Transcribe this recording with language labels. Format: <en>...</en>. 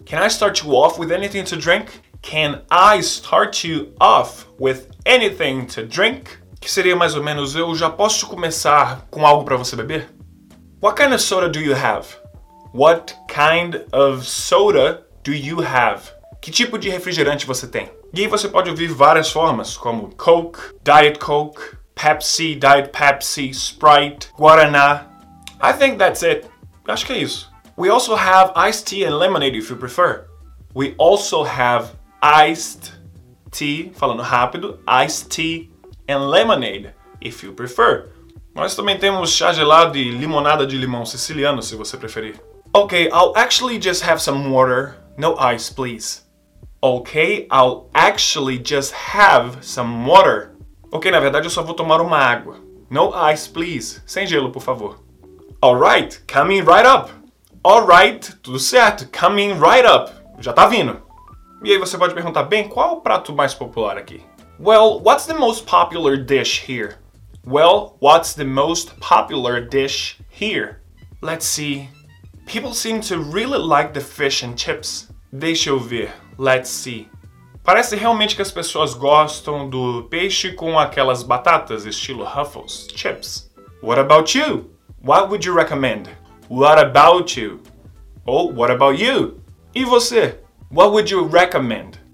<en>Can I start you off with anything to drink? Can I start you off with anything to drink?</en> <pt>Que seria mais ou menos, eu já posso começar com algo para você beber?</pt> <en>What kind of soda do you have? What kind of soda do you have?</en> <pt>Que tipo de refrigerante você tem? E aí você pode ouvir várias formas, como Coke, Diet Coke, Pepsi, Diet Pepsi, Sprite, Guaraná.</pt> <en>I think that's it.</en> <pt>Acho que é isso.</pt> <en>We also have iced tea and lemonade if you prefer. We also have iced tea,</en> <pt>falando rápido,</pt> <en>iced tea and lemonade, if you prefer.</en> <pt>Nós também temos chá gelado e limonada de limão siciliano, se você preferir.</pt> <en>Okay, I'll actually just have some water, no ice, please. Okay, I'll actually just have some water.</en> <pt>Okay, na verdade eu só vou tomar uma água.</pt> <en>No ice, please.</en> <pt>Sem gelo, por favor.</pt> <en>Alright, coming right up. Alright,</en> <pt>tudo certo.</pt> <en>Coming right up.</en> <pt>Já tá vindo. E aí você pode perguntar, bem, qual é o prato mais popular aqui?</pt> <en>Well, what's the most popular dish here? Well, what's the most popular dish here? Let's see. People seem to really like the fish and chips.</en> <pt>Deixa eu ver.</pt> <en>Let's see.</en> <pt>Parece realmente que as pessoas gostam do peixe com aquelas batatas estilo Ruffles, chips.</pt> <en>What about you? What would you recommend? What about you? Oh, what about you?</en> <pt>E você?</pt> <en>What would you recommend?</en>